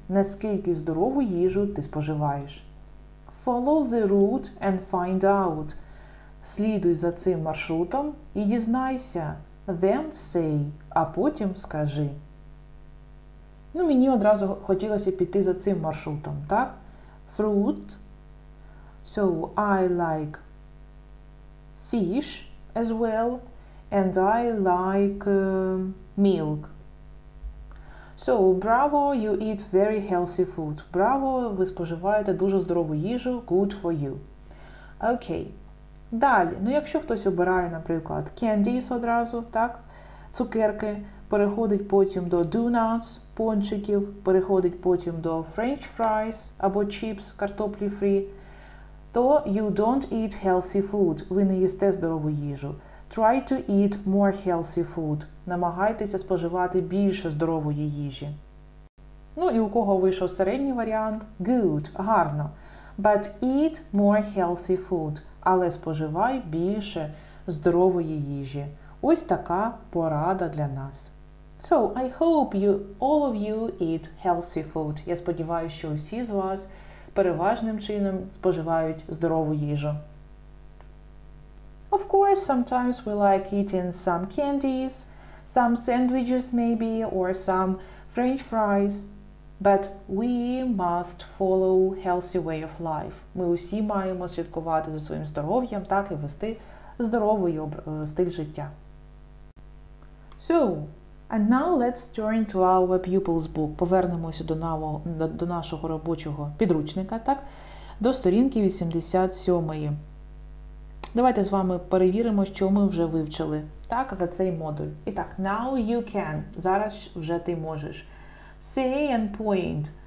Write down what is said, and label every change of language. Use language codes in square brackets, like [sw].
[uk] Наскільки здорову їжу ти споживаєш? [en] Follow the route and find out. [uk] Слідуй за цим маршрутом і дізнайся. [en] Then say, [uk] а потім скажи. Ну, мені одразу хотілося піти за цим маршрутом, так? [en] Fruit. So, I like fish as well, and I like milk. So, bravo, you eat very healthy food. Bravo, [uk] ви споживаєте дуже здорову їжу, [en] good for you. [uk] Okay, далі, ну якщо хтось обирає, наприклад, candies одразу, так, цукерки, переходить потім до donuts, пончиків, переходить потім до french fries або chips, картоплі free, То [en] you don't eat healthy food. [uk] Ви не їсте здорову їжу. [en] Try to eat more healthy food. [uk] Намагайтеся споживати більше здорової їжі. Ну і у кого вийшов середній варіант? [en] Good, [uk] гарно. [en] But eat more healthy food. [uk] Але споживай більше здорової їжі. Ось така порада для нас. [en] So, I hope you all of you eat healthy food. [uk] Я сподіваюся, що усі з вас переважним чином споживають здорову їжу. [en] Of course, sometimes we like eating some candies, some sandwiches maybe, or some french fries. But we must follow healthy way of life. [uk] Ми усі маємо слідкувати за своїм здоров'ям, так і вести здоровий стиль життя. [en] So, and now let's turn to our pupil's book. [uk] Повернемося до нашого робочого підручника, так? До сторінки 87. Давайте з вами перевіримо, що ми вже вивчили, так, за цей модуль. І так, [en] now you can. [uk] Зараз вже ти можеш. [en] Say and point.